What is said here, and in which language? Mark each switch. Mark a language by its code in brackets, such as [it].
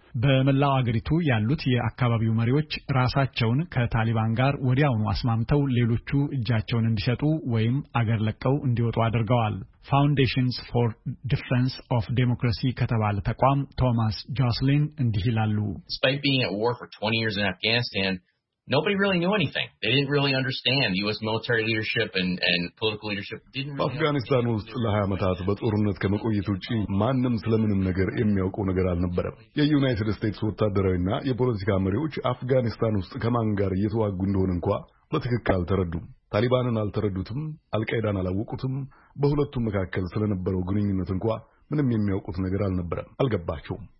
[am] በመላው አገሪቱ ያሉት የአካባቢው መሪዎች ራሳቸውን ከታሊባን ጋር ወዲያውኑ አስማምተው ሌሎቹ እጃቸውን እንዲሰጡ ወይም አገር ለቀው እንዲወጡ አድርገዋል። Foundations for Defense of Democracy ከተባለ ተቋም ቶማስ ጆስሊን እንዲህ ይላሉ። [en] Despite being at war for 20 years in Afghanistan, nobody really knew anything. They didn't really understand US military leadership and political leadership didn't really [am] Afghanistan ውስጥ ለ20 አመታት በጦርነት ከመቆየት ውጪ ማንም ስለምንም ነገር የሚያውቀው ነገር አልነበረም። የዩናይትድ ስቴትስ ወታደራዊና የፖለቲካ መሪዎች አፍጋኒስታን ውስጥ ከማን ጋር እየተዋጉ እንደሆነ እንኳን በትክክል አልተረዱም። ታሊባንን አልተረዱትም፣ አልቃይዳን አላወቁትም። በሁለቱም መካከል ስለነበረው ግንኙነት እንኳን ምንም የሚያውቁት ነገር አልነበረም፣ አልገባቸውም።